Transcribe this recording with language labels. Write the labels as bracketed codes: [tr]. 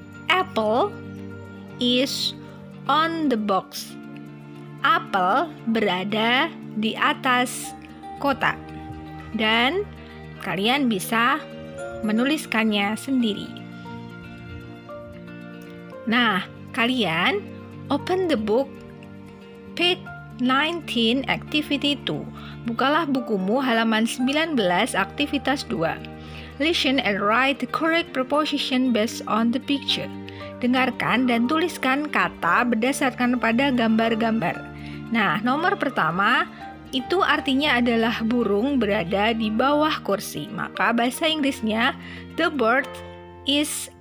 [en] Apple is on the box. [id] Apple berada di atas kotak. Dan kalian bisa menuliskannya sendiri. Nah, kalian [en] open the book, page 19, activity 2. [id] Bukalah bukumu, halaman 19, aktivitas 2. [en] Listen and write the correct preposition based on the picture. [id] Dengarkan dan tuliskan kata berdasarkan pada gambar-gambar. Nah, nomor pertama, itu artinya adalah burung berada di bawah kursi. Maka bahasa Inggrisnya, [en] the bird is